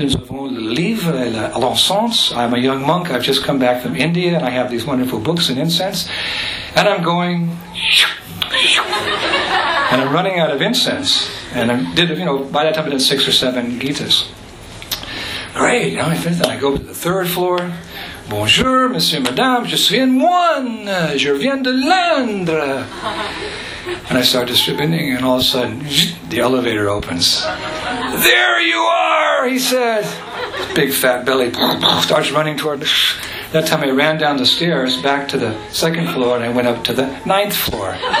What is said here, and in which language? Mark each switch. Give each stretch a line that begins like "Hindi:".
French: Nous avons le livre et l'encens."
English: I'm a young monk. I've just come back from India, and I have these wonderful books and incense. And I'm going, and I'm running out of incense. And I did, by that time I did 6 or 7 Gitas. Great, now I finish that. I go to the third floor.
French: "Bonjour, monsieur, madame, je suis un moine, je viens de l'Indre."
English: And I start distributing, and all of a sudden, the elevator opens. "There you are," he says. Big fat belly starts running toward. That time I ran down the stairs back to the second floor, and I went up to the 9th floor.